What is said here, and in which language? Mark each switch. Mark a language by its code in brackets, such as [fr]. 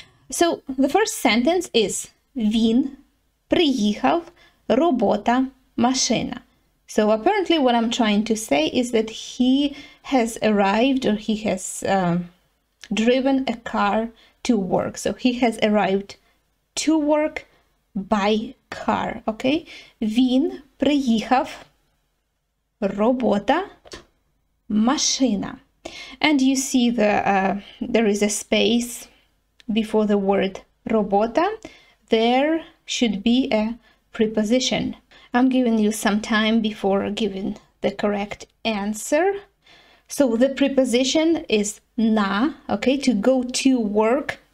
[en] So the first sentence is [uk] Він приїхав, робота, машина. [en] So apparently what I'm trying to say is that he has arrived, or he has driven a car to work. So he has arrived to work by car, okay? [uk] Він приїхав, робота, машина. [en] And you see the there is a space before the word робота. There should be a preposition. I'm giving you some time before giving the correct answer. So the preposition is на, okay? To go to work.